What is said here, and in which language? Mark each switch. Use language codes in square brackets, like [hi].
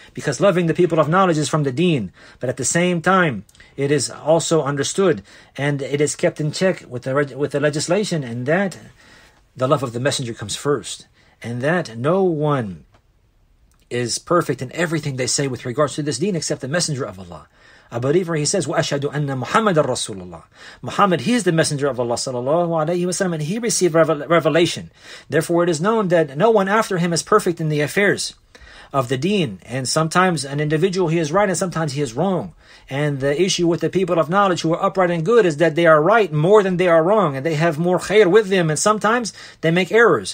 [en] Because loving the people of knowledge is from the deen. But at the same time, it is also understood and it is kept in check with the legislation, and that the love of the messenger comes first, and that no one is perfect in everything they say with regards to this deen except the messenger of Allah. A believer, he says, [ar] وَأَشْهَدُ أَنَّ مُحَمَّدًا رَسُولُ اللَّهِ. [en] Muhammad, he is the messenger of Allah sallallahu alayhi wa sallam, and he received revelation. Therefore, it is known that no one after him is perfect in the affairs of the deen, and sometimes an individual, he is right and sometimes he is wrong. And the issue with the people of knowledge who are upright and good is that they are right more than they are wrong, and they have more khair with them, and sometimes they make errors.